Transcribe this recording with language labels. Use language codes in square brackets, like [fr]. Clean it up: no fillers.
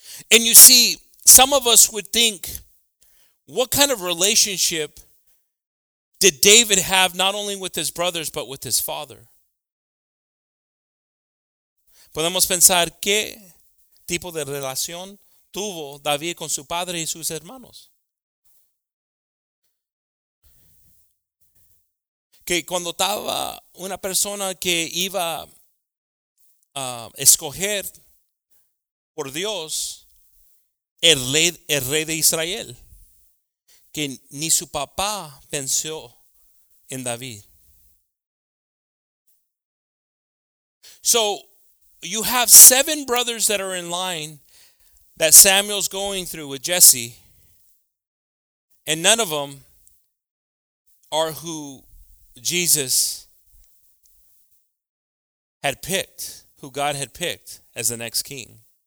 [en] And you see, some of us would think, what kind of relationship did David have not only with his brothers, but with his father? [es] Podemos pensar qué tipo de relación tuvo David con su padre y sus hermanos. Que cuando estaba una persona que iba a escoger por Dios el rey de Israel, que ni su papá pensó en David. [en] So, you have seven brothers that are in line that Samuel's going through with Jesse, and none of them are who Jesus had picked, who God had picked as the next king.